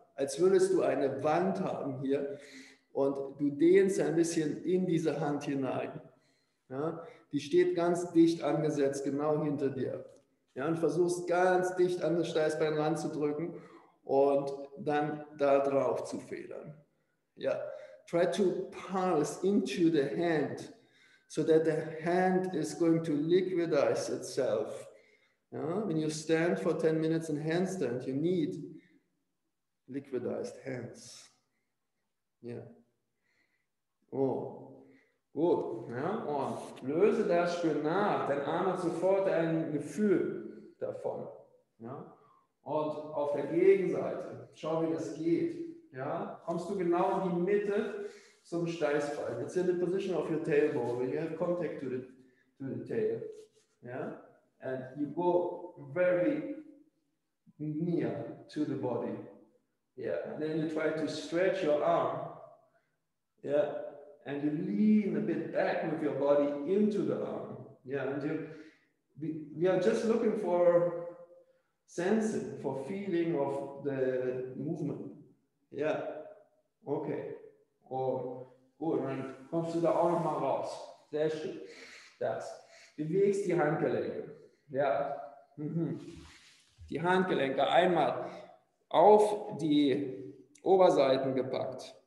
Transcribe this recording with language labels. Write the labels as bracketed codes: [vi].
[de] Als würdest du eine Wand haben hier und du dehnst ein bisschen in diese Hand hinein. Ja? Die steht ganz dicht angesetzt, genau hinter dir. Ja? Und versuchst ganz dicht an das Steißbein ranzudrücken und dann da drauf zu federn. [en] Ja, try to pulse into the hand, so that the hand is going to liquidize itself. Ja? When you stand for 10 minutes in handstand, you need liquidized hands. [de] Ja. Oh, gut. Ja? Und löse das schön nach. Dein Arm hat sofort ein Gefühl davon. Ja? Und auf der Gegenseite, schau, wie das geht. Ja, kommst du genau in die Mitte zum Steißbein. [en] It's in the position of your tailbone, where you have contact to the tail. Ja, and you go very near to the body. Yeah, and then you try to stretch your arm. Yeah, and you lean a bit back with your body into the arm. Yeah, and we are just looking for sensing, for feeling of the movement. [de] Ja, okay. Oh, gut, dann kommst du da auch nochmal raus. Sehr schön. Das. Bewegst die Handgelenke. Ja. Mhm. Die Handgelenke einmal auf die Oberseiten gepackt.